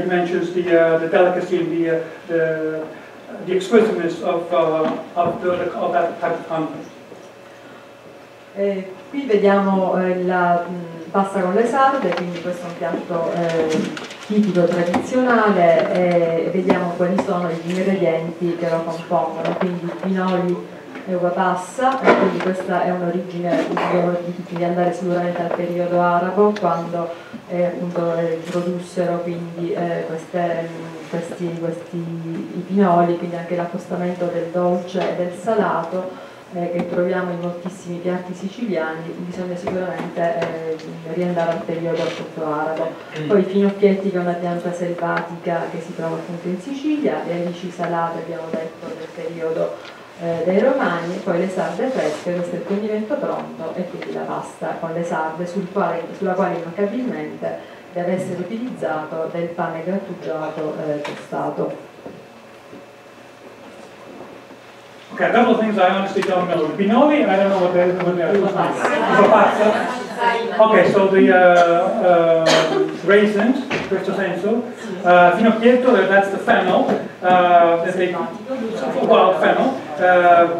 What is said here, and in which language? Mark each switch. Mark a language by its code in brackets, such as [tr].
[en] He mentions the delicacy and the exquisiteness of that type of content. [it] Qui vediamo la pasta con le sarde, quindi questo è un piatto tipico, tradizionale, e vediamo quali sono gli ingredienti che lo compongono, quindi pinoli e uva passa, e quindi questa è un'origine di andare sicuramente al periodo arabo, quando appunto introdussero quindi questi i pinoli, quindi anche l'accostamento del dolce e del salato, che troviamo in moltissimi piatti siciliani, bisogna sicuramente riandare al periodo appunto arabo. Poi i finocchietti, che è una pianta selvatica che si trova appunto in Sicilia, le alici salate, abbiamo detto, del periodo dei romani, poi le sarde fresche, questo è il condimento pronto, e quindi la pasta con le sarde, sulla quale immancabilmente deve essere utilizzato del pane grattugiato tostato. [en] Okay, a couple of things I honestly don't know. The pinoli, I don't know what they are. [it] Uva [en] passa. Okay, so the raisins, [it] in questo senso. [en] Finocchietto, that's the fennel. Fennel.